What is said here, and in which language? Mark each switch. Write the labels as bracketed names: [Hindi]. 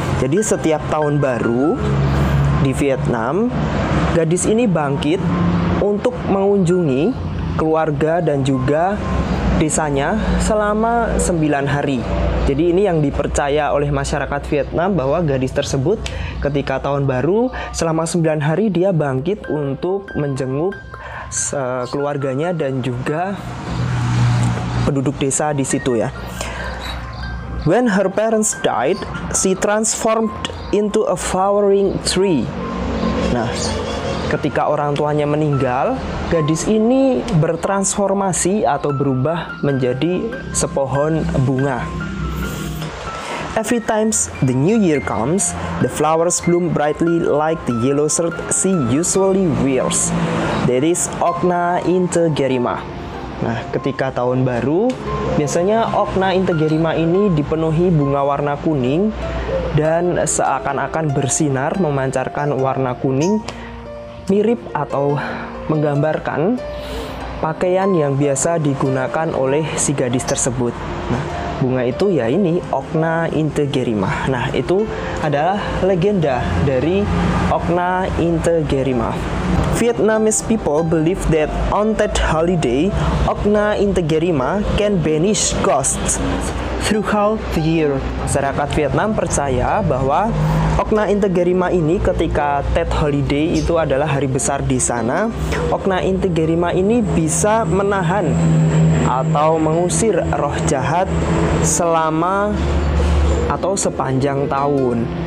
[Indonesian] Jadi setiap tahun baru di Vietnam, gadis ini bangkit untuk mengunjungi keluarga dan juga desanya selama 9 hari. Jadi ini yang dipercaya oleh masyarakat Vietnam, bahwa gadis tersebut ketika tahun baru selama 9 hari dia bangkit untuk menjenguk keluarganya dan juga penduduk desa di situ ya. [English] When her parents died, she transformed into a flowering tree. [Indonesian] Nah, ketika orang tuanya meninggal, gadis ini bertransformasi atau berubah menjadi sepohon bunga. [English] Every time the new year comes, the flowers bloom brightly like the yellow shirt she usually wears. That is Okna entergerima. [Indonesian] Nah, ketika tahun baru, biasanya Okna entergerima ini dipenuhi bunga warna kuning dan seakan-akan bersinar memancarkan warna kuning, mirip atau menggambarkan pakaian yang biasa digunakan oleh si gadis tersebut. Nah, bunga itu ya ini Okna entergerima. Nah, itu adalah legenda dari Okna entergerima. [English] Vietnamese people believe that on that holiday, Okna entergerima can banish ghosts throughout the year. [Indonesian] Masyarakat Vietnam percaya bahwa Okna entergerima ini ketika Tet Holiday, itu adalah hari besar di sana, Okna entergerima ini bisa menahan atau mengusir roh jahat selama atau sepanjang tahun.